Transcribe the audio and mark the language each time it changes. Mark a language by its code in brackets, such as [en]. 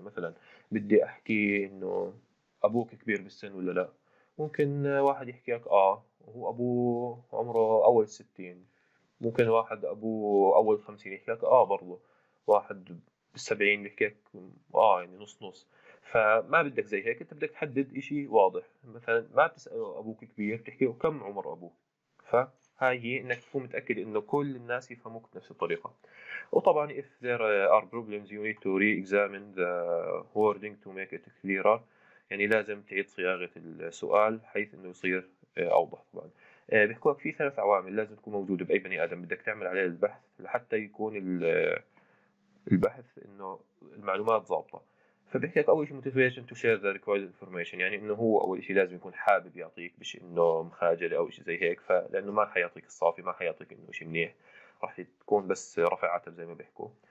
[ar] مثلا بدي أحكي إنه أبوك كبير بالسن ولا لا، ممكن واحد يحكي لك هو أبوه عمره أول 60، ممكن واحد أبوه أول 50 يحكي لك برضه، واحد 70 بحكيك يعني نص نص. فما بدك زي هيك، انت بدك تحدد اشي واضح. مثلا ما بتسأله ابوك كبير، بتحكي له كم عمر ابوك. فهاي هي انك تكون متأكد انه كل الناس يفهموك بنفس الطريقة. [en] وطبعا if there are problems you need to re-examine the wording to make it clearer. [ar] يعني لازم تعيد صياغة السؤال حيث انه يصير اوضح. طبعا بحكوا لك في ثلاث عوامل لازم تكون موجودة باي بني ادم بدك تعمل عليه البحث لحتى يكون البحث انه المعلومات ضابطه. فبحكي لك اول شيء [en] motivation to share the required information, [ar] يعني انه هو اول شيء لازم يكون حابب يعطيك، مش انه مخاجل او شيء زي هيك، فلانه ما حيعطيك الصافي، ما حيعطيك انه شيء منيح، راح تكون بس رفع عتب زي ما بيحكوا.